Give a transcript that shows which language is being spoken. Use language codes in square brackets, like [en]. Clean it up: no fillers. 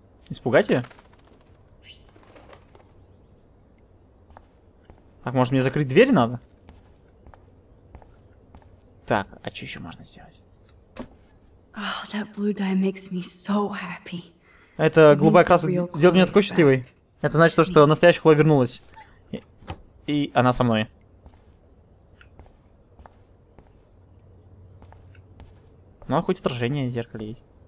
[ru] Испугать ее? Так, может мне закрыть дверь надо? Так, а что еще можно сделать? [en] Oh, that blue dye makes me so happy. [ru] Это голубая краска делает меня такой счастливой. Это значит то, что настоящая Хлоя вернулась. И она со мной. Ну, а хоть отражение в зеркале есть.